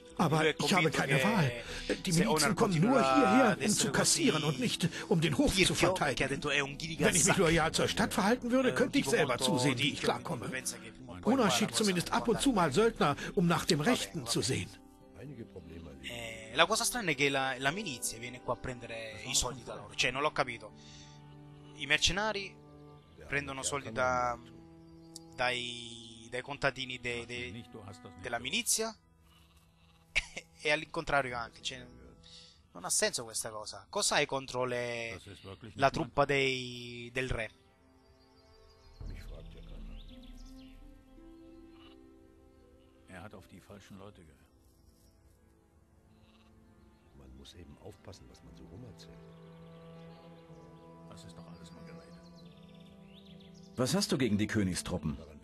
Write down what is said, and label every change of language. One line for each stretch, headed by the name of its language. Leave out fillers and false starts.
German: Aber ich habe keine Wahl. Die Milizen kommen nur hierher, um zu kassieren und nicht, um den Hof zu verteidigen. Wenn ich mich loyal zur Stadt verhalten würde, könnte ich selber zusehen, wie ich klarkomme. Ona schickt zumindest ab und zu mal Söldner, um nach dem Rechten zu sehen. Einige Probleme.
Italian: La cosa strana è che la milizia viene qua a prendere i soldi da loro. Cioè, non l'ho capito. I mercenari prendono soldi dai contadini della milizia e al contrario anche. Cioè, non ha senso questa cosa. Cosa hai contro la truppa del re?
German: Er hat auf die falschen Leute gehört. Eben aufpassen, was man so rumerzählt. Das ist doch alles nur Gerede. Was hast du gegen die Königstruppen?